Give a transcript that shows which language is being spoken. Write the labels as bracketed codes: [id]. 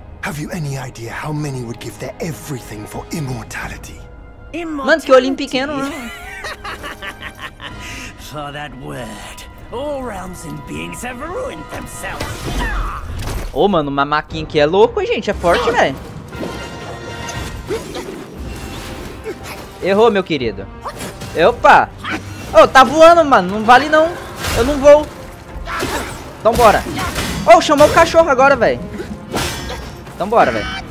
[en] Have you any idea how many would give their everything for immortality? [pt] Mano, que olhinho pequeno, né? [en] For that word, all realms and beings have ruined themselves. [pt] Ô, mano, uma maquinha aqui é louco, gente. É forte, velho. Errou, meu querido. Opa. Ô, oh, tá voando, mano. Não vale, não. Eu não vou. Então, bora. Oh, chamou o cachorro agora, velho. Então bora, velho.